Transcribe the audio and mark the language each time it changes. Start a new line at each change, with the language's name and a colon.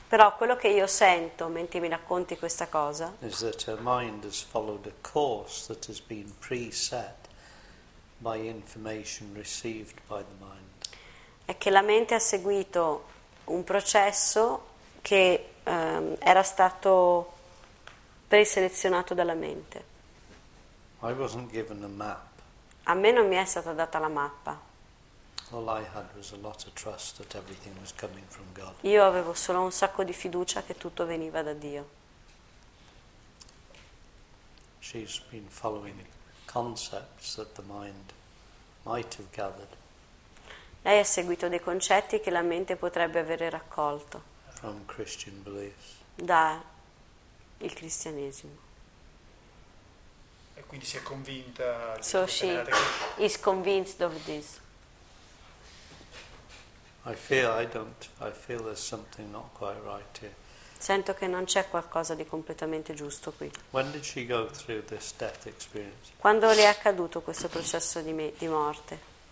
Italian: però quello che io sento mentre mi racconti questa cosa,
English: is that her mind has followed a course that has been preset by information received by the mind.
Italian: È che la mente ha seguito un processo che era stato preselezionato dalla mente.
English: I wasn't given a map.
Italian: A me non mi è stata data la mappa.
English: All I had was a lot of trust that everything was coming from God.
Italian: Io avevo solo un sacco di fiducia che tutto veniva da Dio.
English: she's been following concepts that the mind might have gathered.
Italian: Lei ha seguito dei concetti che la mente potrebbe avere raccolto.
English: From Christian beliefs.
Italian: Da il cristianesimo. E quindi si è convinta.
English: So she is convinced of this. I feel there's something not quite right here.
Italian: Sento che non c'è qualcosa di completamente giusto qui.
English: When did she go through this death experience?
Italian: Quando le è accaduto questo processo di morte?